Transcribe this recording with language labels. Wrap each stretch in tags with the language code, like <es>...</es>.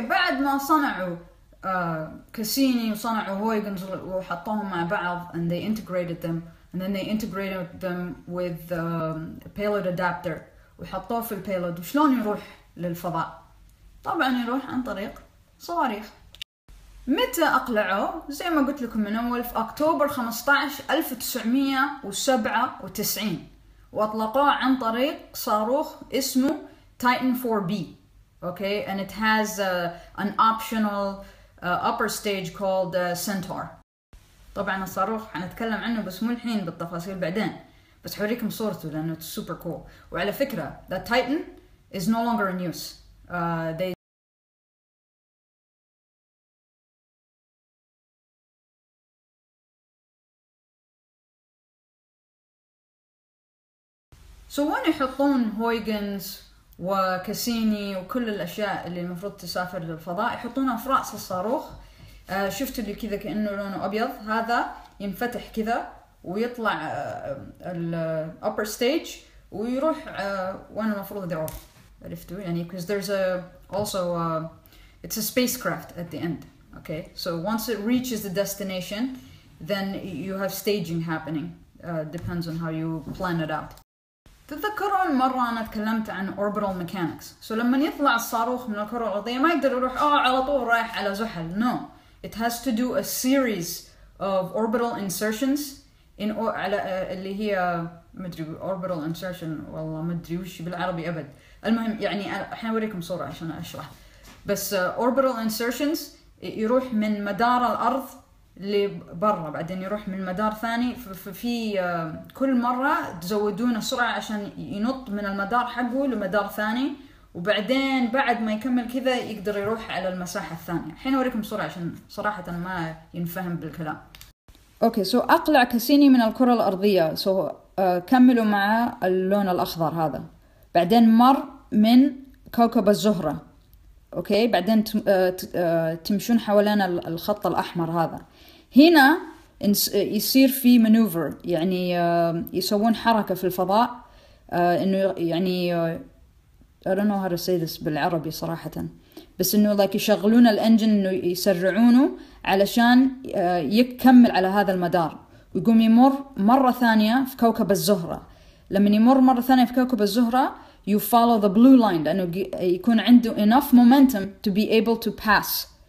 <ar>بعد ما صنعوا كاسيني وصنعوا هويغنز وحطوهم مع بعض</ar> <en>and they integrated them and then they integrated them with the payload adapter</en> <ar>وحطوه في البيلود. وشلون يروح للفضاء؟ طبعا يروح عن طريق صواريخ. متى اقلعوا؟ زي ما قلت لكم من اول، في اكتوبر 15 1997، واطلقوه عن طريق صاروخ اسمه تايتن 4B.</ar> <en>Okay, and it has an optional upper stage called Centaur.</en> <ar>طبعاً الصاروخ حنتكلم عنه بس مو الحين بالتفاصيل بعدين. بس حوريكم صورته لأنه</ar> <en>it's super cool.</en> <ar>وعلى فكرة,</ar> <en>the Titan is no longer in use. They so when</en> <ar>يحطون هويغنز وكاسيني وكل الأشياء اللي المفروض تسافر للفضاء يحطونها في رأس الصاروخ. شفتوا اللي كذا كأنه لونه أبيض؟ هذا ينفتح كذا ويطلع الـ upper stage ويروح وين المفروض يروح؟ عرفتوا يعني؟</ar> <en>because there's a also a, it's a spacecraft at the end. okay, so once it reaches the destination then you have staging happening. Depends on how you plan it out.</en> <ar>تذكرون مرة أنا تكلمت عن orbital mechanics. so لما يطلع الصاروخ من الكرة الأرضية ما يقدر يروح على طول رايح على زحل.</ar> <en>no, it has to do a series of orbital insertions in</en> <ar>على اللي هي مدري</ar> <en>orbital insertion</en> <ar>والله مدري وش بالعربي أبد. المهم يعني الحين أوريكم صورة عشان أشرح. بس orbital insertions يروح من مدار الأرض لبرا بعدين يروح من مدار ثاني. في كل مرة تزودون السرعة عشان ينط من المدار حقه لمدار ثاني وبعدين بعد ما يكمل كذا يقدر يروح على المساحة الثانية. الحين أوريكم بسرعة عشان صراحة ما ينفهم بالكلام. أوكي سو أقلع كاسيني من الكرة الأرضية. سو كملوا مع اللون الأخضر هذا. بعدين مر من كوكب الزهرة. أوكي بعدين تمشون حوالين الخط الأحمر هذا. هنا يصير في مانوفر يعني يسوون حركة في الفضاء إنه يعني</ar> <en>I don't know how to say this</en> <ar>بالعربي صراحة بس إنه like يشغلون الانجن إنه يسرعونه علشان يكمل على هذا المدار ويقوم يمر مرة ثانية في كوكب الزهرة. لما يمر مرة ثانية في كوكب الزهرة</ar> <en>you follow the blue line</en> <ar>لأنه يكون عنده</ar> <en>enough momentum to be able to pass.</en>